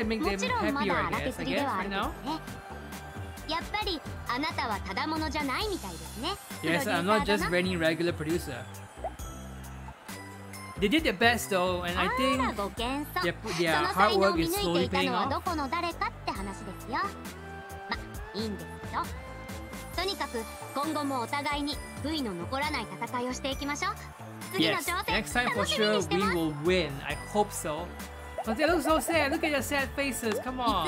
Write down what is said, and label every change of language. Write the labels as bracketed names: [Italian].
[Japanese] もちろんまだ荒削りではあるんですね。やっぱりあなたはただものじゃないみたいですね。 [English] Yes, I'm not just any regular producer. They did their best though, and I think their hard work is slowly paying off. [Japanese] その才能を見抜いていたのはどこの誰かって話ですよ。いいんですよ。とにかく今後もお互いに悔いの残らない戦いをしていきましょう。次の挑戦、 [English] yes. Next time for sure we will win. I hope so. But they look so sad. Look at their sad faces. Come on.